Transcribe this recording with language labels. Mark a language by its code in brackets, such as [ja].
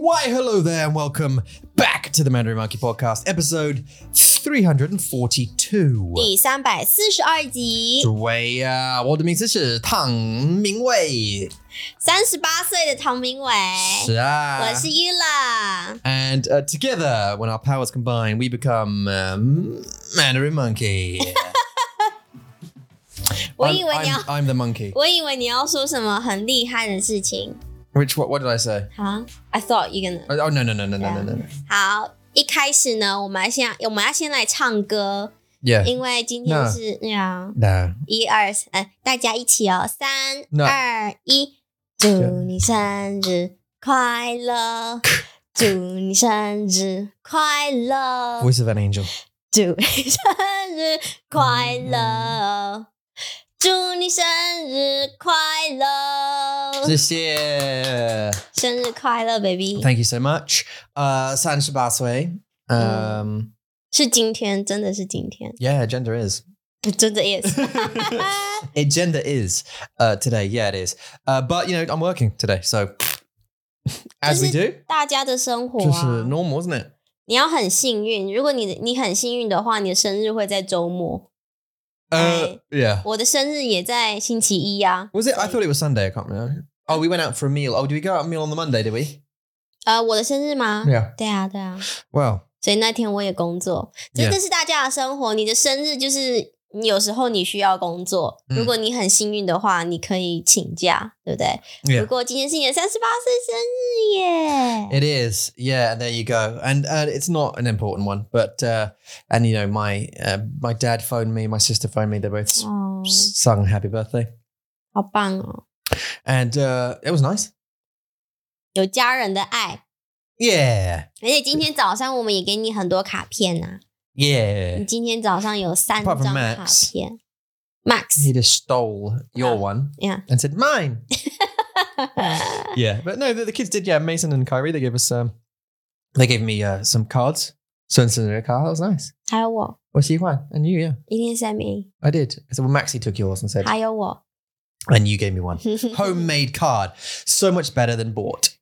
[en] Why, hello there, and welcome back to the Mandarin Monkey podcast, episode 342. [zh] 第342集。对呀，我的名字是唐明伟。 38岁的唐明伟。是啊。我是伊乐。 [en] And together, when our powers combine, we become Mandarin Monkey. [zh] 我以为你要 [en] I'm the monkey. [zh] 我以为你要说什么很厉害的事情。 [en] Which, what did I say? Huh? I thought you're gonna... Oh, no. [zh] 好,一开始呢,我们要先来唱歌。 [en] Yeah. [zh] 因为今天是, [en] yeah. [zh] 一二,大家一起哦,三,二,一。祝你生日快乐。祝你生日快乐。 [en] Voice of an angel. [zh] 祝你生日快乐。祝你生日快乐！谢谢，生日快乐 ，baby。 [en] Thank you so much。 [zh] 三十八岁，是今天，真的是今天。 [en] Yeah, gender is. It [zh] 真的 [en] is. It gender is. Today, yeah, it is. But you know, I'm working today, so as we do. [zh] 大家的生活、啊、就是 [en] normal, isn't it? [zh] 你要很幸运，如果你很幸运的话，你的生日会在周末。 [en] Yeah. [zh] 我的生日也在星期一啊。 [en] Was it? I thought it was Sunday, I can't remember. Oh, we went out for a meal. Oh, did we go out a meal on the Monday, did we? [zh] 我的生日吗? [en] Yeah. [zh] 对啊,对啊。 [en] Well. [zh] 所以那天我也工作。真的是大家的生活,你的生日就是有时候你需要工作。如果你很幸运的话,你可以请假,对不对? Yeah. 如果今天是你的38岁生日耶。 [en] It is. Yeah, there you go. And it's not an important one, but... And you know, my dad phoned me, my sister phoned me, they both sung happy birthday. [zh] 好棒哦。 [en] And it was nice. [zh] 有家人的爱。 [en] Yeah. [zh] 而且今天早上我们也给你很多卡片啊。 [en] Yeah. [zh] 你今天早上有三张卡片。 [en] Max. He just stole your one. Yeah. And said, mine! Yeah, but no, the kids did, yeah, Mason and Kyrie, they gave us, they gave me some cards. So in the car, that was nice. [zh] 还有我。我喜欢。 [en] And you, yeah. You didn't send me. I did. I said, well, Maxie took yours and said. [zh] 还有我。 [en] And you gave me one. Homemade card. So much better than bought.